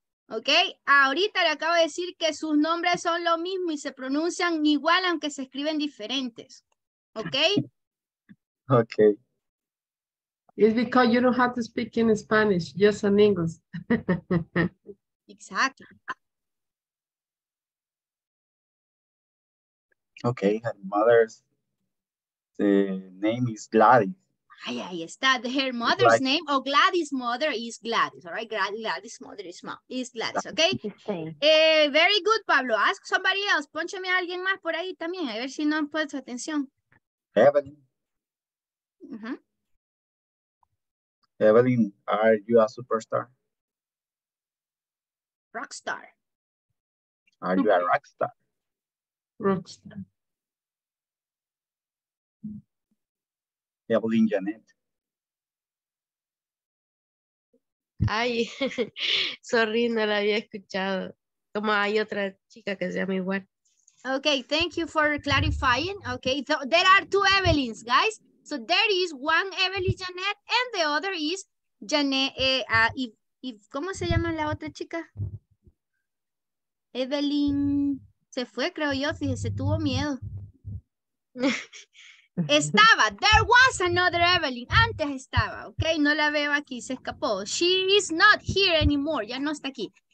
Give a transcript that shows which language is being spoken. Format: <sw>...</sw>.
<es>Ok, ahorita le acabo de decir que sus nombres son lo mismo y se pronuncian igual aunque se escriben diferentes. Ok. Ok.</es> <en>It's because you don't have to speak in Spanish, just in English. Exactly. Okay, her mother's name is Gladys.</en> <es>Ay, ahí está.</es> <en>Her mother's Gladys. Name, Gladys' mother is Gladys, all right? Gladys' mother is Gladys, okay? Very good, Pablo. Ask somebody else.</en> <es>Pónchame a alguien más por ahí también, a ver si no han puesto atención.</es> <en>Evelyn. Uh-huh. Evelyn, are you a superstar? Rockstar. Are you a rockstar? Rockstar. Evelyn Janet.</en> <es>Ay,</es> <en>sorry,</en> <es>no la había escuchado. Como hay otra chica que se llama igual.</es> <en>Okay, thank you for clarifying. Okay, so there are two Evelyns, guys. So there is one Evelyn Janet and the other is Janet.</en> <es>¿Cómo se llama la otra chica? Evelyn se fue, creo yo. Fíjese, tuvo miedo. Estaba.</es> <en>There was another Evelyn.</en> <es>Antes estaba,</es> <en>¿ok?</en> <es>No la veo aquí, se escapó.</es> <en>She is not here anymore.</en> <es>Ya no está aquí.</es>